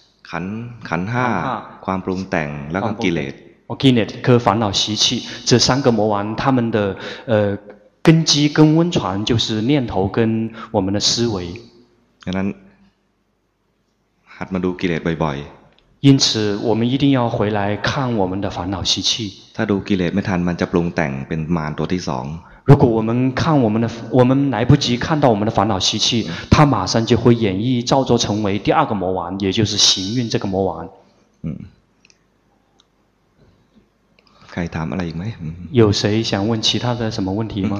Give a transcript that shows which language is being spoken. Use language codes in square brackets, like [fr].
[th] ขันธ์5ความปรุงแต่งแล้วก็กิเลส [zh] 哦，กิเลส和烦恼习气，这三个魔王他们的根基跟温床就是念头跟我们的思维。 [th] ดังนั้นหัดมาดูกิเลสบ่อย [zh] ๆ因此我们一定要回来看我们的烦恼习气。 [th] ถ้าดูกิเลสไม่ทันมันจะปรุงแต่งเป็นมารตัวที่สอง [zh] 如果我们看我们的，我们来不及看到我们的烦恼习气，它马上就会演绎造作成为第二个魔王，也就是行运这个魔王。嗯。 [th] ใครถามอะไรอีกไหม？ [zh] 有谁想问其他的什么问题吗？